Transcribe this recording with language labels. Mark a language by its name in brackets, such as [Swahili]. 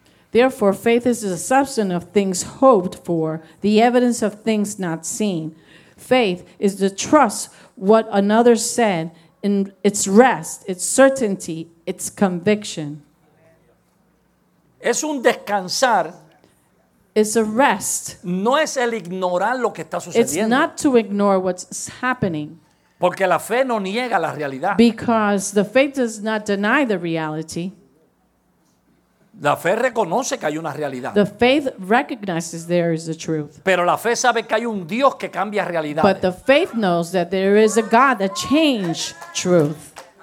[English] Therefore, faith is the substance of things hoped for, the evidence of things not seen. Faith is the trust what another said in its rest, its certainty, its conviction. [Spanish] Es un descansar. [English] It's a rest. [Spanish] No es el ignorar lo que está sucediendo. [English] It's not to ignore what's happening. [Spanish] Porque la fe no niega la realidad. [English] Because the faith does not deny the reality. [Spanish] La fe reconoce que hay una realidad. [English] The faith recognizes there is a truth. [Spanish] Pero la fe sabe que hay un Dios que cambia realidades. [English] But the faith knows that there is a God that changes truth.